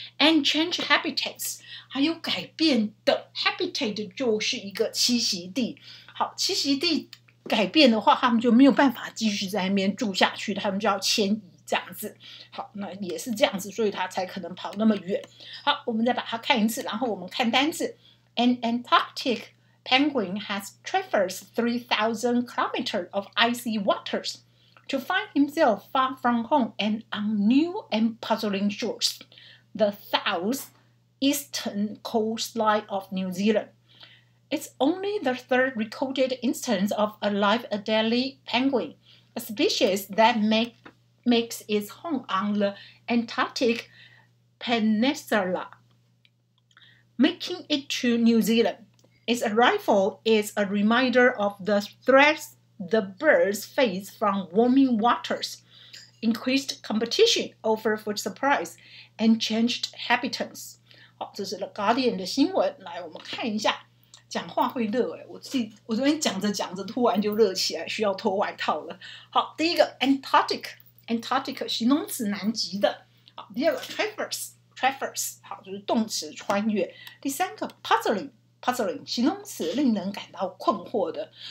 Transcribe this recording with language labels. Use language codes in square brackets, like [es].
[en] And change habitats， [zh] 还有改变的 habitat 就是一个栖息地。好，栖息地改变的话，他们就没有办法继续在那边住下去，他们就要迁移这样子。好，那也是这样子，所以他才可能跑那么远。好，我们再把它看一次，然后我们看单字。 [en] An Antarctic penguin has traversed 3,000 kilometers of icy waters to find himself far from home and on new and puzzling shores, the southeastern coastline of New Zealand. It's only the third recorded instance of a live adelie penguin, a species that makes its home on the Antarctic Peninsula. Making it to New Zealand. Its arrival is a reminder of the threats the birds face from warming waters, increased competition over food supplies, and changed habitats. [zh] 好，这是 The Guardian 的新闻。来，我们看一下。讲话会热耶，我昨天讲着讲着突然就热起来，需要脱外套了。好，第一个 Antarctic 形容词南极的。好，第二个 Traverse 好，就是动词穿越。第三个 puzzling 形容词，令人感到困惑的。